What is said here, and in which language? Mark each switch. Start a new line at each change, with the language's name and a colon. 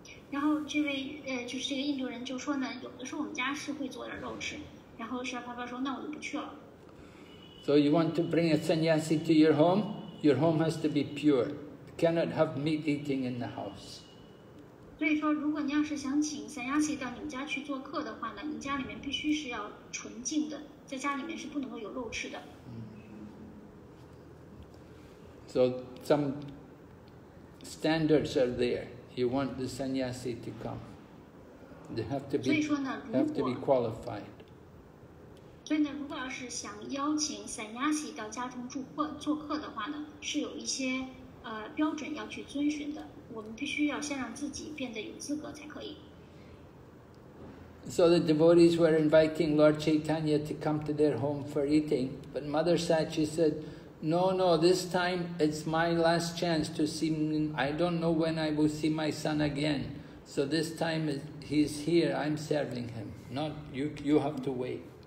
Chinese: 然后这位就是这个印度人就说呢，有的时候我们家是会做点肉吃，然后Srila Prabhupada说，那我就不去了。
English: So you want to bring a sannyasi to your home has to be pure. You cannot have meat eating in the house.
Chinese: 所以说，如果你要是想请sannyasi到你们家去做客的话呢，你家里面必须是要纯净的，在家里面是不能够有肉吃的。
English: So some standards are there. You want the sannyasi to come. They have to be, have to be qualified.
Chinese: 所以呢,如果要是想邀请Sanyasi到家中住客做客的话呢,是有一些标准要去遵循的,我们必须要先让自己变得有资格才可以。
English: So the devotees were inviting Lord Chaitanya to come to their home for eating, but Mother Sat, she said, no, no, this time it's my last chance to see, I don't know when I will see my son again, so this time he's here, I'm serving him, not you, you have to wait.